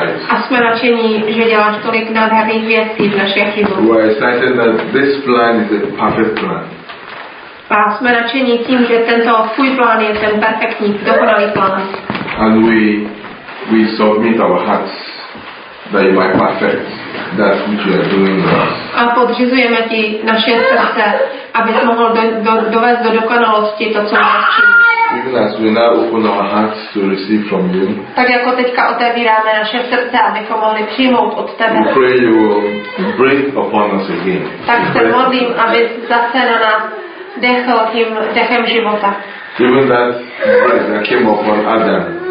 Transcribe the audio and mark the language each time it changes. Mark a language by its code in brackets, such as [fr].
[cs] a jsme nadšení, že děláš tolik nádherných věcí v našich životech. [en] We are excited that this plan is a perfect plan. [cs] A jsme nadšení tím, že tento tvůj plán je ten perfektní, dokonalý plán. [en] And we submit our hearts that you might perfect that which you are doing in us. [cs] A podřizujeme ti naše srdce, abys mohl dovést do dokonalosti to, co máš činit. [en] Even as we now open our hearts to receive from you, [cs] tak jako teďka otevíráme naše srdce, abychom mohli přijmout od tebe. [en] We pray you will breathe upon us again. [cs] Tak se modlím, aby zase na nás dechl tím dechem života. [en] Even that breath that came upon Adam,